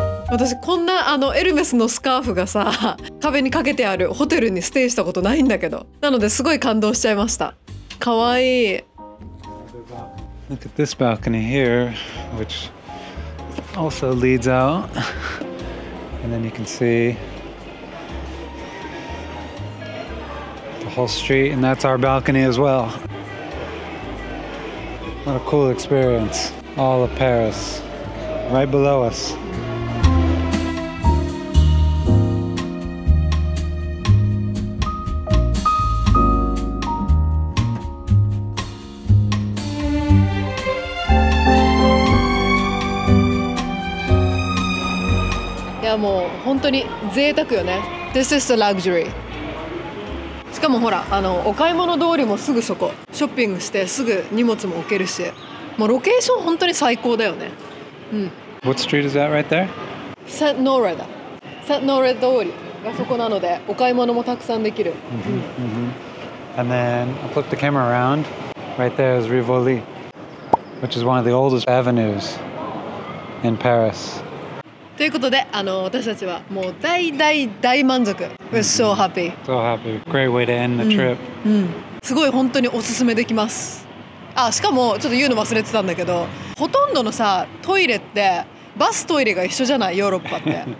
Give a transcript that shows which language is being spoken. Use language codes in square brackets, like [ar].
[ja] 私こんなエルメスのスカーフがさ、壁にかけてあるホテルにステイしたことないんだけど、なのですごい感動しちゃいました。かわいい。 [en] Look at this balcony here, which also leads out. And then you can see the whole street, and that's our balcony as well. What a cool experience. All of Paris, right below us. [ja] もう本当に贅沢よね。 [en] This is the luxury. [ja] しかもほら、あのお買い物通りもすぐそこ、ショッピングしてすぐ荷物も置けるし、もうロケーション本当に最高だよね。うん。 [en] What street is that right there? [ja] セントノーレだ。セントノーレ通りがそこなので、お買い物もたくさんできる。 [en] And then I flip the camera around. Right there is Rivoli, which is one of the oldest avenues in Paris. [ja] ということで、あの私たちはもう大大大満足。 [en] We're so happy. So happy. Great way to end the trip. [ja] すごい本当におすすめできます。あ、しかもちょっと言うの忘れてたんだけど、ほとんどのさトイレってバストイレが一緒じゃない、ヨーロッパって。